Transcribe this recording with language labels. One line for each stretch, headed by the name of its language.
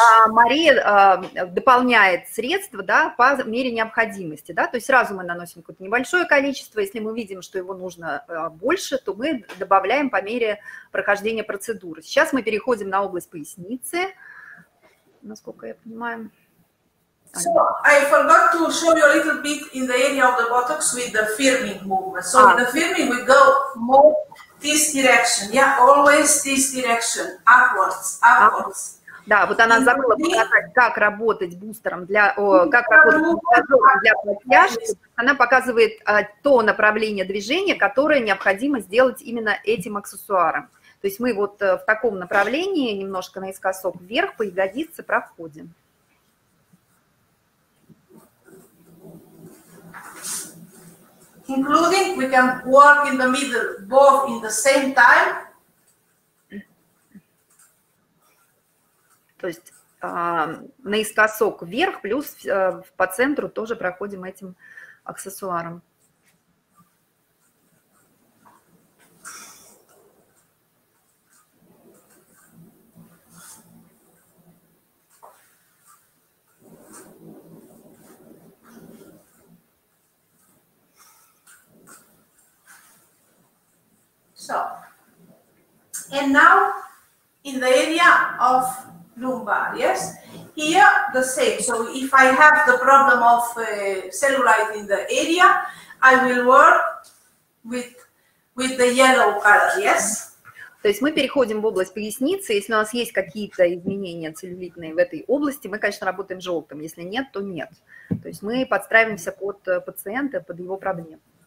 Russian: Мария дополняет средства, да, по мере необходимости, да, то есть сразу мы наносим какое-то небольшое количество, если мы видим, что его нужно больше, то мы добавляем по мере прохождения процедуры. Сейчас мы переходим на область поясницы, насколько я понимаю.
English: So I forgot to show you a little bit in the area of the buttocks with the firming movement. So with the firming, we go more this direction. Yeah, always this direction, upwards.
Russian: Да, вот она забыла показать, как работать бустером для, как работать для подтяжки. Она показывает то направление движения, которое необходимо сделать именно этим аксессуаром. То есть мы вот в таком направлении немножко наискосок вверх по ягодице проходим.
English: Including, we can work in the middle, both in the same time.
Russian: То есть наискосок вверх плюс по центру тоже проходим этим аксессуаром.
English: So, and now in the area of lumbar, yes? Here, the same. So, if I have the problem of cellulite in the area, I will work with the yellow color, yes?
Russian: То есть мы переходим в область поясницы, если у нас есть какие-то изменения целлюлитные в этой области, мы, конечно, работаем желтым, если нет, то нет. То есть мы подстраиваемся под пациента, под его проблему.